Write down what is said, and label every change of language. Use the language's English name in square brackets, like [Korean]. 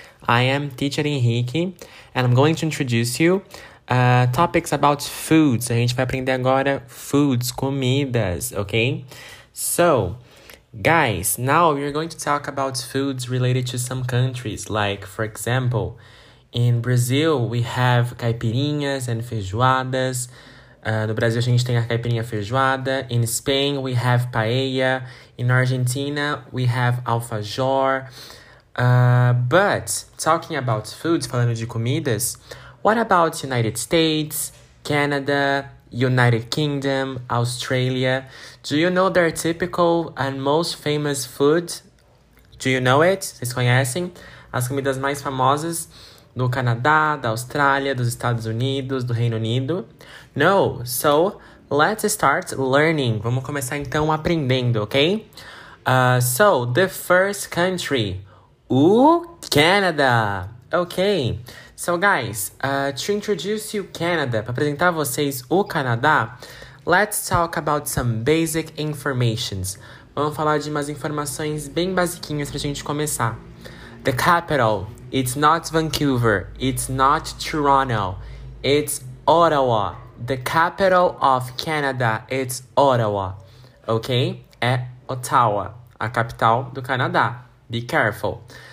[English] I am Teacher Henrique, and I'm going to introduce you topics about foods. [Portuguese] A gente vai aprender agora foods, comidas, okay? [English] So, guys, now we're going to talk about foods related to some countries, like, for example, in Brazil, we have caipirinhas and feijoadas. [Portuguese] No Brasil, a gente tem a caipirinha feijoada. [English] In Spain, we have paella. In Argentina, we have alfajor. But, talking about foods, [Portuguese] falando de comidas, [English] what about United States, Canada, United Kingdom, Australia? Do you know their typical and most famous food? Do you know it? [Portuguese] Vocês conhecem? As comidas mais famosas do Canadá, da Austrália, dos Estados Unidos, do Reino Unido? [English] No, so let's start learning. [Portuguese] Vamos começar então aprendendo, ok? [English] So, the first country, Canada. Ok, so guys, to introduce you Canada, [Portuguese] para apresentar a vocês o Canadá, [English] let's talk about some basic informations. [Portuguese] Vamos falar de umas informações bem basiquinhas pra gente começar. [English] The capital, it's not Vancouver, it's not Toronto, it's Ottawa. The capital of Canada, it's Ottawa, ok? [Portuguese] É Ottawa, a capital do Canadá. [English] Be careful.